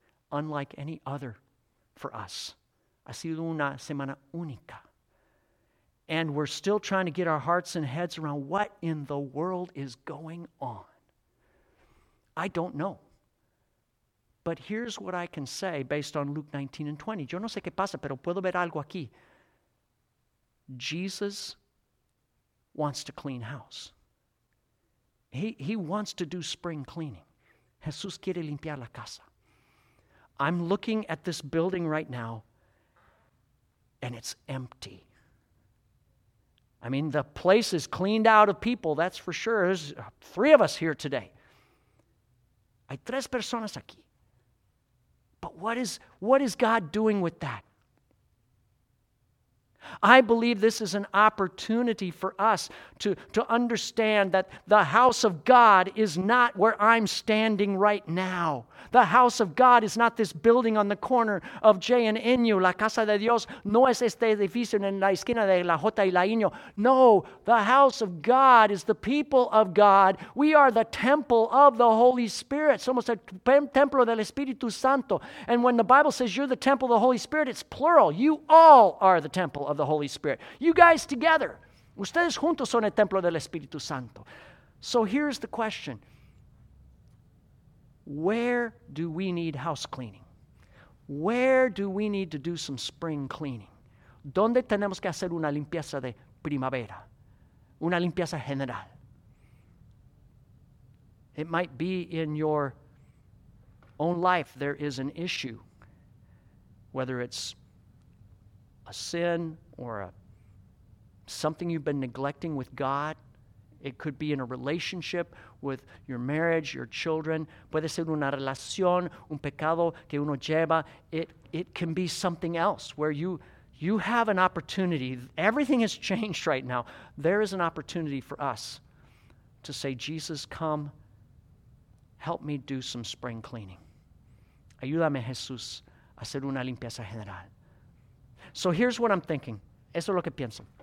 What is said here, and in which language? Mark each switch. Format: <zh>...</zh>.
<en>unlike any other for us.</en> <es>Ha sido una semana única.</es> <en>And we're still trying to get our hearts and heads around what in the world is going on. I don't know. But here's what I can say based on Luke 19 and 20.</en> <es>Yo no sé qué pasa, pero puedo ver algo aquí.</es> <en>Jesus wants to clean house. He wants to do spring cleaning.</en> <es>Jesús quiere limpiar la casa.</es> <en>I'm looking at this building right now, and it's empty. I mean, the place is cleaned out of people, that's for sure. There's three of us here today.</en> <es>Hay tres personas aquí.</es> <en>But what is God doing with that? I believe this is an opportunity for us to understand that the house of God is not where I'm standing right now. The house of God is not this building on the corner of J and Inyo.</en> <es>La casa de Dios no es este edificio en la esquina de la J y la Inyo.</es> <en>No, the house of God is the people of God. We are the temple of the Holy Spirit.</en> <es>Somos el templo del Espíritu Santo.</es> <en>And when the Bible says you're the temple of the Holy Spirit, it's plural. You all are the temple of the Holy Spirit. You guys together.</en> <es>Ustedes juntos son el templo del Espíritu Santo.</es> <en>So here's the question. Where do we need house cleaning? Where do we need to do some spring cleaning?</en> <es>¿Dónde tenemos que hacer una limpieza de primavera? Una limpieza general.</es> <en>It might be in your own life there is an issue, whether it's a sin or something you've been neglecting with God. It could be in a relationship with your marriage, your children.</en> <es>Puede ser una relación, un pecado que uno lleva.</es> <en>It can be something else where you have an opportunity. Everything has changed right now. There is an opportunity for us to say, Jesus, come, help me do some spring cleaning.</en> <es>Ayúdame, Jesús, a hacer una limpieza general.</es> <en>So here's what I'm thinking.</en> <es>Eso es lo que pienso.</es>